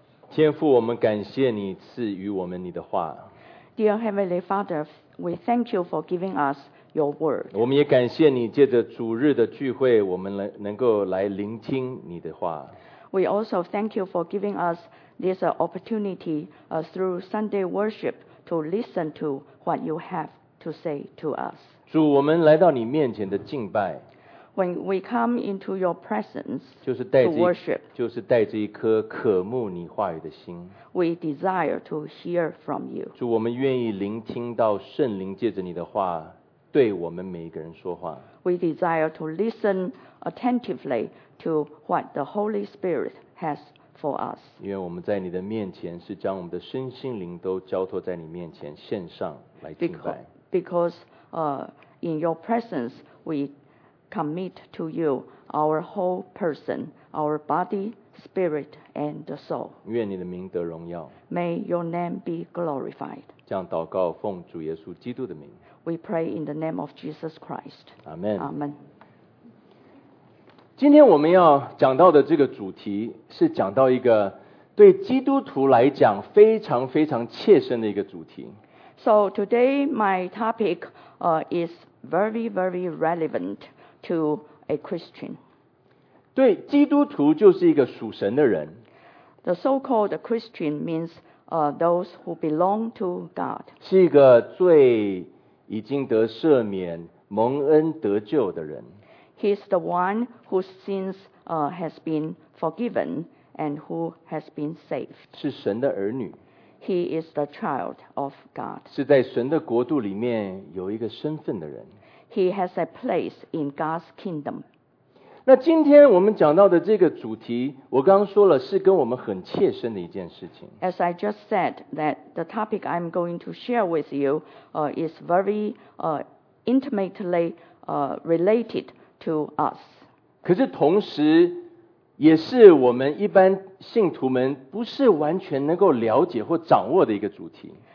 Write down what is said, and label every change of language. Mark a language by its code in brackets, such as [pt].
[zh] 天父，我们感谢你赐予我们你的话。 [en] Dear Heavenly Father, we thank you for giving us your word. [zh] 我们也感谢你借着主日的聚会，我们能够来聆听你的话。 [en] We also thank you for giving us this opportunity through Sunday worship to listen to what you have to say to us. [zh] 主，我们来到你面前的敬拜。 [en] When we come into your presence, [zh] 就是带着 [en] to worship, [zh] 就是带着一颗渴慕你话语的心。 [en] We desire to hear from you. [zh] 主，我们愿意聆听到圣灵借着你的话对我们每一个人说话。 [en] We desire to listen attentively to what the Holy Spirit has for us. [zh] 因为我们在你的面前是将我们的身心灵都交托在你面前献上来敬拜。 [en] Because in your presence, we commit to you our whole person, our body, spirit, and the soul. [zh] 愿你的名得荣耀。 [en] May your name be glorified. [zh] 这样祷告奉主耶稣基督的名。 [en] We pray in the name of Jesus Christ. Amen. Amen. [zh] 今天我们要讲到的这个主题是讲到一个对基督徒来讲非常非常切身的一个主题。 [en] So today my topic is very, very relevant to a Christian. [zh] 对，基督徒就是一个属神的人。 [en] The so-called Christian means those who belong to God. [zh] 是一个最已经得赦免、蒙恩得救的人。 [en] He's the one whose sins has been forgiven and who has been saved. [zh] 是神的儿女。 [en] He is the child of God. [zh] 是在神的国度里面有一个身份的人。 [en] He has a place in God's kingdom. [zh] 那今天我们讲到的这个主题，我刚刚说了，是跟我们很切身的一件事情。 [en] As I just said, that the topic I'm going to share with you is very intimately related to us. [zh] 可是同时，也是我们一般信徒们不是完全能够了解或掌握的一个主题。